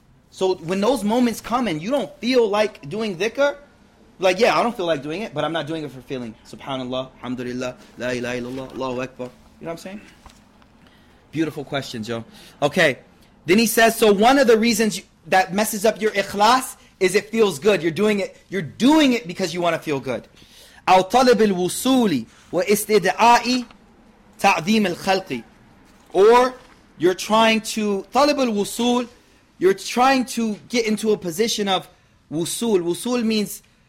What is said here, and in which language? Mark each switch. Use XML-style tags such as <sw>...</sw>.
<en>So when those moments come and you don't feel like doing dhikr, like, yeah, I don't feel like doing it, but I'm not doing it for feeling. Subhanallah, alhamdulillah, la ilaha illallah, Allahu Akbar. You know what I'm saying? Beautiful questions, yo. Okay. Then he says, so one of the reasons that messes up your ikhlas is it feels good. You're doing it because you want to feel good.</en> <ar>أو طلب الوصول واستدعاء تعظيم الخلق.</ar> <en>Or you're trying to,</en> <ar>طلب الوصول,</ar> <en>you're trying to get into a position of wusul. Wusul means</en>